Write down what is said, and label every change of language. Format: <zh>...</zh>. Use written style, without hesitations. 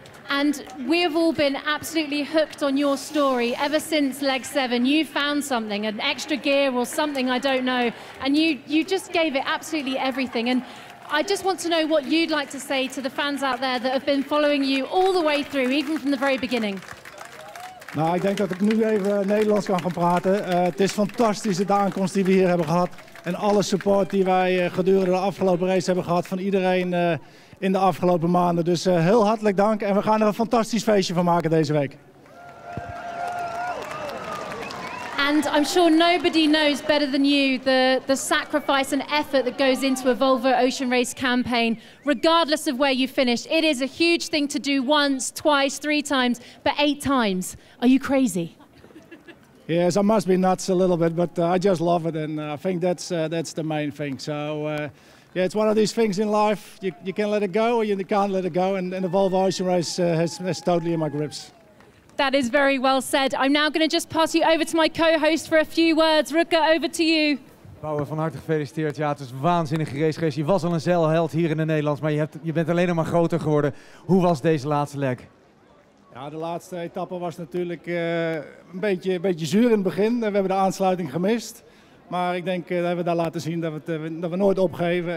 <en>And we have all been absolutely hooked on your story ever since leg seven. You found something, an extra gear or something, I don't know. And you just gave it absolutely everything. And I just want to know what you'd like to say to the fans out there that have been following you all the way through, even from the very beginning.</en> <nl>Nou, ik denk dat ik nu even Nederlands kan gaan praten. Het is fantastisch de aankomst die we hier hebben gehad. En alle support die wij gedurende de afgelopen race hebben gehad van iedereen in de afgelopen maanden. Dus heel hartelijk dank en we gaan er een fantastisch feestje van maken deze week.</nl> <en>And I'm sure nobody knows better than you the sacrifice and effort that goes into a Volvo Ocean Race campaign, regardless of where you finish. It is a huge thing to do once, twice, three times, but eight times. Are you crazy? Yes, I must be nuts a little bit, but I just love it. And I think that's the main thing. So, yeah, it's one of these things in life. You can let it go or you can't let it go. And the Volvo Ocean Race has totally in my grips. That is very well said. I'm now going to just pass you over to my co-host for a few words. Rutger, over to you.</en> <nl>Bauer, van harte gefeliciteerd. Ja, het is een waanzinnige race geweest. Je was al een zeilheld hier in de Nederlands, maar je bent alleen nog maar groter geworden. Hoe was deze laatste leg? Ja, de laatste etappe was natuurlijk een beetje zuur in het begin. We hebben de aansluiting gemist. Maar ik denk dat we daar laten zien dat we nooit opgeven.</nl>